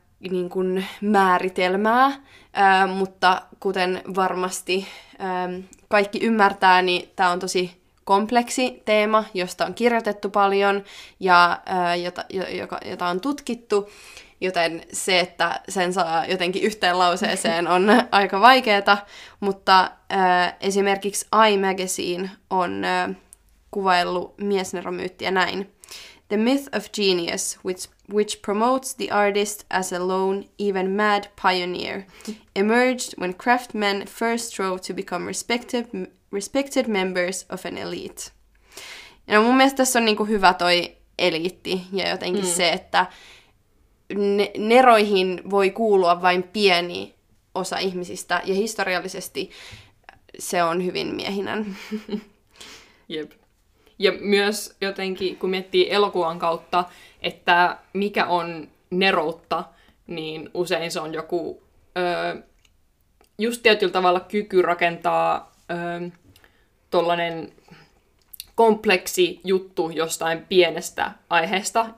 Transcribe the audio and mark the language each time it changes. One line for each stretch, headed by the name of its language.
Finnish: niin kuin määritelmää, mutta kuten varmasti kaikki ymmärtää, niin tämä on tosi kompleksi teema, josta on kirjoitettu paljon ja jota on tutkittu, joten se, että sen saa jotenkin yhteen lauseeseen on aika vaikeeta, mutta esimerkiksi I Magazine on kuvaillut miesneromyyttiä näin.
English: The myth of genius, which promotes the artist as a lone, even mad pioneer, emerged when craftsmen first strove to become respected members of an elite.
Finnish: Ja no, mun mielestä tässä on niinku hyvä toi eliitti ja jotenkin se, että neroihin voi kuulua vain pieni osa ihmisistä ja historiallisesti se on hyvin miehinen. Jep. Ja myös jotenkin, kun miettii elokuvan kautta, että mikä on neroutta, niin usein se on joku just tietyllä tavalla kyky rakentaa tollainen kompleksi juttu jostain pienestä aiheesta.